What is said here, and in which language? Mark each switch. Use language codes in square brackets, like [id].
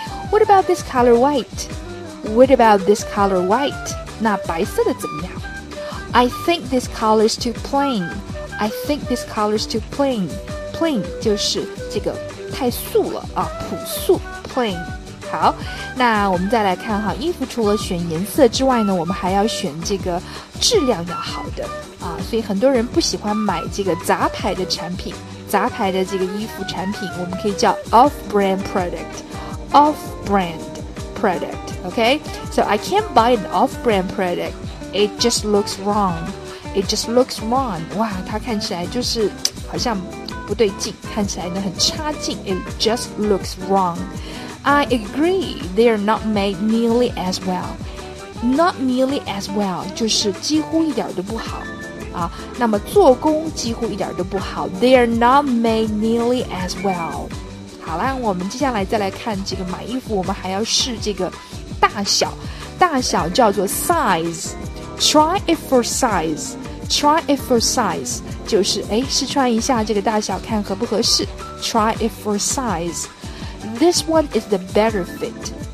[en] What about this color white? What about this color white? [zh] 那白色的怎么样？ [en] I think this color is too plain. I think this color is too plain. [zh] Plain 就是这个太素了啊，朴素 plain。好，那我们再来看哈，衣服除了选颜色之外呢，我们还要选这个质量要好的啊，所以很多人不喜欢买这个杂牌的产品，杂牌的这个衣服产品我们可以叫 [en] off-brand product， off-brand product， OK， so I can't buy an off-brand product， it just looks wrong， [zh] it just looks wrong， 哇，它看起来就是好像不对劲，看起来呢很差劲， [en] it just looks wrong。 I agree, they are not made nearly as well. Not nearly as well, [zh] 就是几乎一点都不好啊。那么做工几乎一点都不好。 [en] They are not made nearly as well. [zh] 好啦，我们接下来再来看这个买衣服，我们还要试这个大小。大小叫做 size. [en] Try it for size. Try it for size. [zh] 就是哎，试穿一下这个大小，看合不合适。 [en] Try it for size. This one is the better fit.